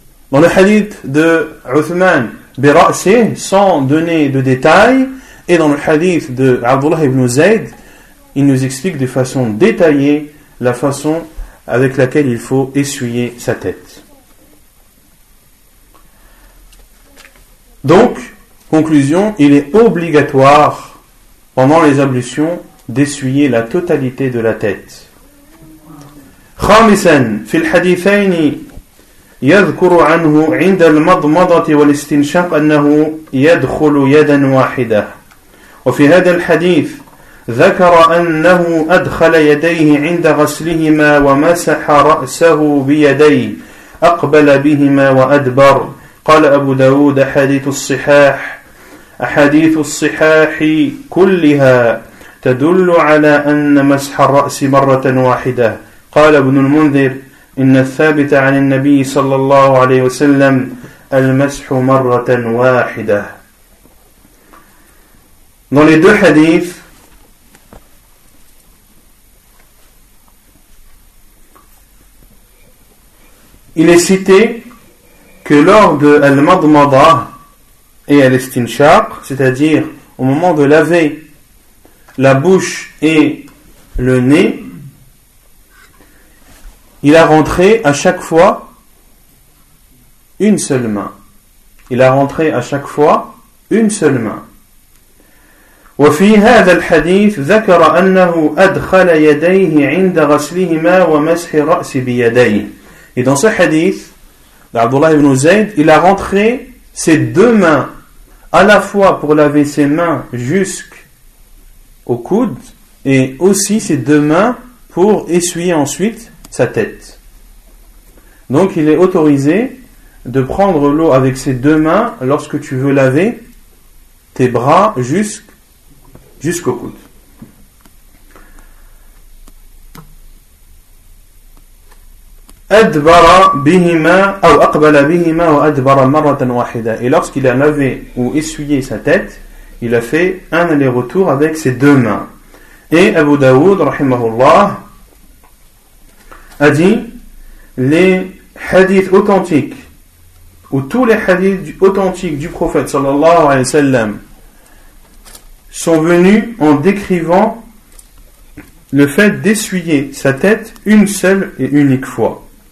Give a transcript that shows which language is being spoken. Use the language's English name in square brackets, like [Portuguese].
[French] Dans le hadith de Uthman, bira'sih, sans donner de détails, et dans le hadith de Abdullah ibn Zayd, il nous explique de façon détaillée la façon avec laquelle il faut essuyer sa tête. Donc, conclusion, il est obligatoire, pendant les ablutions, d'essuyer la totalité de la tête. [Arabic] خامسا في الحديثين يذكر عنه عند المضمضة والاستنشاق أنه يدخل يدا واحدة. وفي هذا الحديث ذكر أنه أدخل يديه عند غسلهما ومسح رأسه بيديه أقبل بهما وأدبر. قال أبو داود حديث الصحاح. أحاديث الصحاح كلها تدل على أن مسح الرأس مرة واحدة. قال ابن المنذر إن الثابت عن النبي صلى الله عليه وسلم المسح مرة واحدة. [French] Dans les deux hadiths, il est cité que lors de Al-Madmada et Al-Istinshaq, c'est-à-dire au moment de laver la bouche et le nez, il a rentré à chaque fois une seule main. Il a rentré à chaque fois une seule main. [Arabic] وفي هذا الحديث ذكر أنه أدخل يديه عند غسلهما ومسح الرأس بيديه. [French] Et dans ce hadith, Abdullah ibn Zayd, il a rentré ses deux mains à la fois pour laver ses mains jusqu'au coude et aussi ses deux mains pour essuyer ensuite sa tête. Donc il est autorisé de prendre l'eau avec ses deux mains lorsque tu veux laver tes bras jusqu'au coude. [Arabic] أدبر بهما أو أقبل بهما وأدبر مرة واحدة. [French] Et lorsqu'il a lavé ou essuyé sa tête, il a fait un aller-retour avec ses deux mains. Et Abu Dawud, rahimahullah, a dit les hadiths authentiques ou tous les hadiths authentiques du prophète sallallahu alayhi wa sallam sont venus en décrivant le fait d'essuyer sa tête une seule et unique fois.